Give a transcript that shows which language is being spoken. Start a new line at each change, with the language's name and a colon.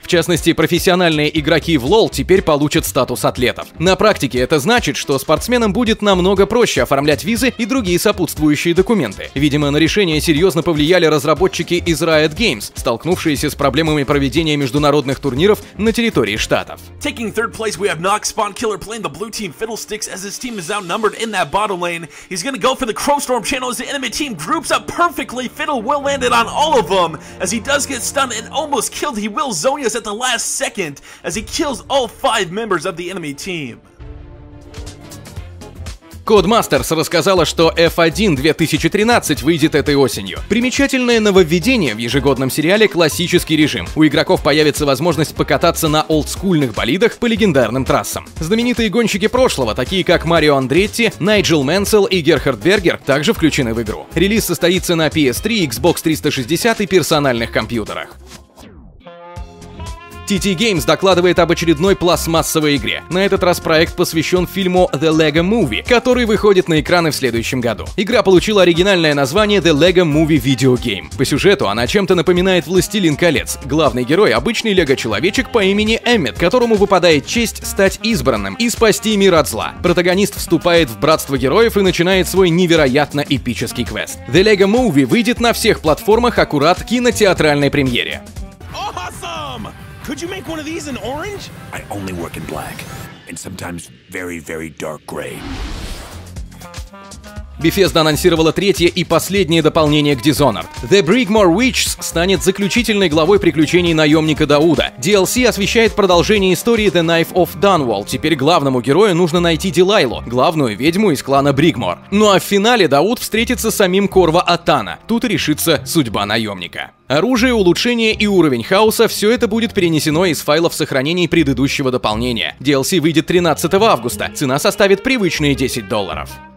Russian: В частности, профессиональные игроки в LoL теперь получат статус атлетов. На практике это значит, что спортсменам будет намного проще оформлять визы и другие сопутствующие документы. Видимо, на решение серьезно повлияли разработчики из Riot Games, столкнувшиеся с проблемами проведения международных турниров на территории штатов.
English: Taking third place, we have Nox, Spawn Killer playing the blue team Fiddlesticks as his team is outnumbered in that bottom lane. He's gonna go for the Crowstorm channel as the enemy team groups up perfectly. Fiddle will landed on all of them as he does get stunned and almost killed. He will Zonius at the last second as he kills all five members of the enemy team.
Russian: Codemasters рассказала, что F1 2013 выйдет этой осенью. Примечательное нововведение в ежегодном сериале — классический режим. У игроков появится возможность покататься на олдскульных болидах по легендарным трассам. Знаменитые гонщики прошлого, такие как Марио Андретти, Найджел Мэнсел и Герхард Бергер, также включены в игру. Релиз состоится на PS3, Xbox 360 и персональных компьютерах. TT Games докладывает об очередной пластмассовой игре. На этот раз проект посвящен фильму The Lego Movie, который выходит на экраны в следующем году. Игра получила оригинальное название The Lego Movie Video Game. По сюжету она чем-то напоминает Властелин колец. Главный герой — обычный лего-человечек по имени Эммет, которому выпадает честь стать избранным и спасти мир от зла. Протагонист вступает в братство героев и начинает свой невероятно эпический квест. The Lego Movie выйдет на всех платформах аккурат к кинотеатральной премьере.
English: Awesome! Could you make one of these in orange? I only work in black, and sometimes very, very dark gray.
Russian: Bethesda анонсировала третье и последнее дополнение к Dishonored. The Brigmore Witches станет заключительной главой приключений наемника Дауда. DLC освещает продолжение истории The Knife of Dunwall. Теперь главному герою нужно найти Делайлу, главную ведьму из клана Brigmore. Ну а в финале Дауд встретится с самим Корво Атана. Тут решится судьба наемника. Оружие, улучшение и уровень хаоса — все это будет перенесено из файлов сохранений предыдущего дополнения. DLC выйдет 13 августа. Цена составит привычные $10.